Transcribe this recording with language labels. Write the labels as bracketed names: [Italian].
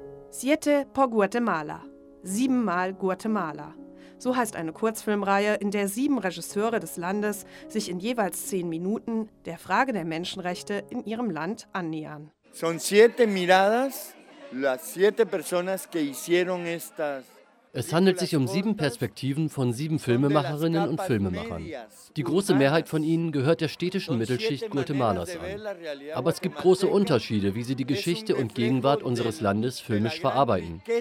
[Spanish] Siete por Guatemala. [German] 7-mal Guatemala. So heißt eine Kurzfilmreihe, in der 7 Regisseure des Landes sich in jeweils 10 Minuten der Frage der Menschenrechte in ihrem Land annähern. [Spanish] Son 7 miradas. Las 7 personas que hicieron estas. [German] Es handelt sich um 7 Perspektiven von 7 Filmemacherinnen und Filmemachern. Die große Mehrheit von ihnen gehört der städtischen Mittelschicht Guatemalas an. Aber es gibt große Unterschiede, wie sie die Geschichte und Gegenwart unseres Landes filmisch verarbeiten.